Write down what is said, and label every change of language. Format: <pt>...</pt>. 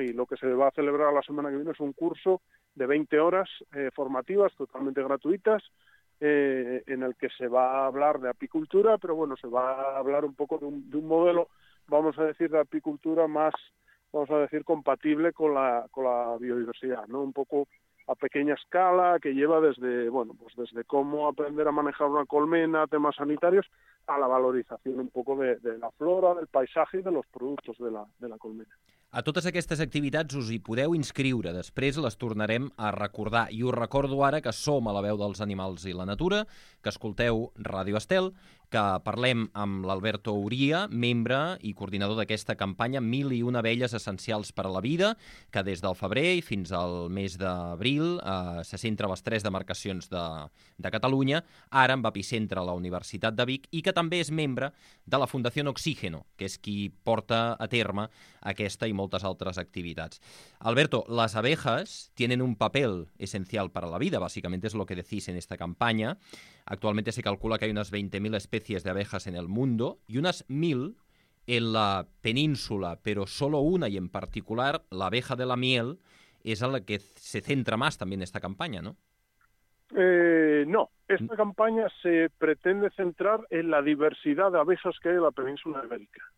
<es>Y lo que se va a celebrar la semana que viene es un curso de 20 horas formativas, totalmente gratuitas, en el que se va a hablar de apicultura, pero bueno, se va a hablar un poco de un modelo, vamos a decir, de apicultura más, vamos a decir, compatible con la biodiversidad, ¿no? Un poco a pequeña escala, que lleva desde cómo aprender a manejar una colmena, temas sanitarios, a la valorización un poco de la flora, del paisaje i de los productos de la colmena.</es> <ca>A totes aquestes activitats us hi podeu inscriure. Després les tornarem a recordar. I us recordo ara que som a la veu dels animals i la natura, que escolteu Ràdio Estel, que parlem amb l'Alberto Uria, membre i coordinador d'aquesta campanya Mil i una abelles essencials per a la vida, que des del febrer i fins al mes d'abril se centra a les tres demarcacions de Catalunya, ara amb epicentre a la Universitat de Vic, i que també és membre de la Fundació Oxígeno, que és qui porta a terme aquesta i moltes altres activitats. Alberto,</ca> <es>les abejas tienen un papel</es> <ca>essencial per a la vida, bàsicament és el que decís en esta campanya.</ca> <es>Actualmente se calcula que hay unas 20.000 especies de abejas en el mundo y unas 1.000 en la península, pero solo una y en particular la abeja de la miel es a la que se centra más también esta campaña, ¿no? No, esta campaña se pretende centrar en la diversidad de abejas que hay en la península ibérica.</es>